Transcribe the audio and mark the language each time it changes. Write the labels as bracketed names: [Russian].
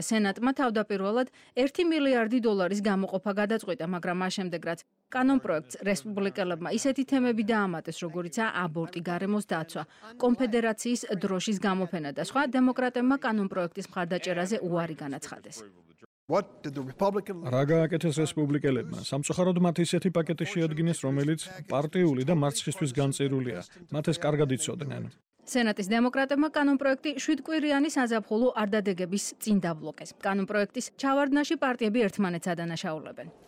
[Georgian] სენატმა თავდაპირველად 1 მილიარდი დოლარის გამოყოფა გადაწყვიტა, მაგრამ ამავდროულად რაც კანონპროექტს რესპუბლიკელებმა ისეთი თემები დაამატეს, როგორიცაა აბორტი, გარემოს დაცვა, კონფედერაციის დროშის გამოფენა და სხვა, დემოკრატებმა კანონპროექტის მხარდაჭერაზე უარი განაცხადეს. [English] What did the Republican [Georgian] რა გააკეთეს რესპუბლიკელებმა? სამწუხაროდ მათ ისეთი პაკეტი შეადგინეს, რომელიც პარტიული და მარცხისთვის განწერულია. მათ ეს კარგად იცოდნენ. სენატის დემოკრატებმა კანონპროექტი 7-კვირიანი საზაფხულო არდადეგების წინ დაბლოკეს. კანონპროექტის ჩავარდნაში პარტიები ერთმანეთს ადანაშაულებენ.